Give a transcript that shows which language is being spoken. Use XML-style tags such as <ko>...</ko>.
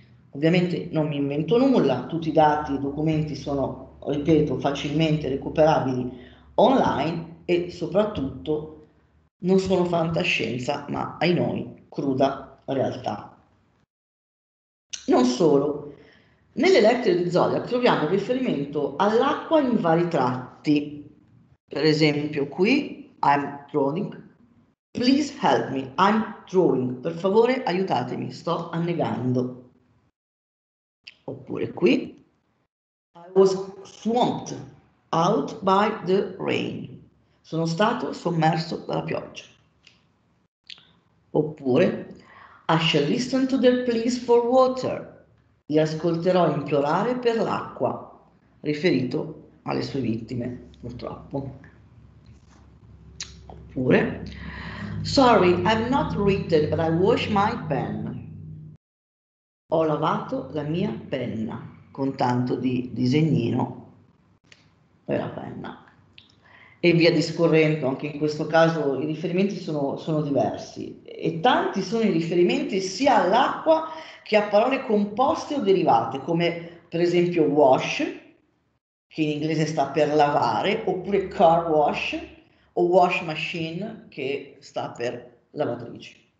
<it>Ovviamente non mi invento nulla, tutti i dati, i documenti sono, ripeto, facilmente recuperabili online e soprattutto non sono fantascienza, ma ahinoi, cruda realtà. Non solo, nelle lettere di Zodiac troviamo riferimento all'acqua in vari tratti. Per esempio, qui,</it> <en>I'm drowning. Please help me, I'm drowning.</en> <it>Per favore, aiutatemi, sto annegando. Oppure qui,</it> <en>I was swamped out by the rain.</en> <it>Sono stato sommerso dalla pioggia.</it> <en>Oppure, I shall listen to their pleas for water.</en> <it>Li ascolterò implorare per l'acqua, riferito alle sue vittime, purtroppo.</it> <en>Oppure, sorry, I've not written, but I wash my pen.</en> <it>Ho lavato la mia penna, con tanto di disegnino della penna. E via discorrendo, anche in questo caso i riferimenti sono diversi. E tanti sono i riferimenti sia all'acqua che a parole composte o derivate, come per esempio wash, che in inglese sta per lavare, oppure car wash o wash machine, che sta per lavatrice.</it>